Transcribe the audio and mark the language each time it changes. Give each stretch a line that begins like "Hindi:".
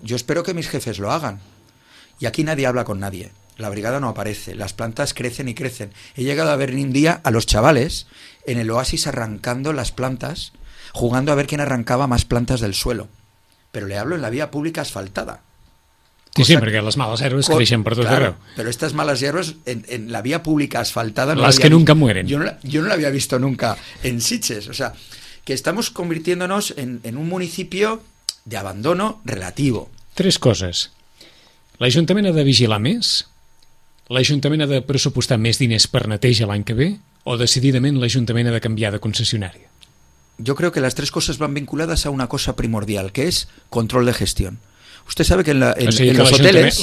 Spanish: Yo espero que mis jefes lo hagan. Y aquí nadie habla con nadie. La brigada no aparece, las plantas crecen y crecen. He llegado a ver un día a los chavales en el oasis arrancando las plantas, jugando a ver quién arrancaba más plantas del suelo. Pero le hablo en la vía pública asfaltada.
Catalan: Sí, sí, perquè les males herbes creixen per tot arreu. Però aquestes males herbes en la via pública asfaltada...
Spanish: Les que nunca mueren.
Catalan: Jo no l'havia
Spanish: visto nunca en Sitges. O sea, que estamos convirtiéndonos en un municipio de abandono relativo.
Catalan: Tres coses. L'Ajuntament ha de vigilar més? L'Ajuntament ha de pressupostar més diners per neteja l'any que ve? O decididament l'Ajuntament ha de canviar de concessionari?
Spanish: Yo creo que las tres cosas van vinculadas a una cosa primordial, que es control de gestión. Usted sabe que en los hoteles...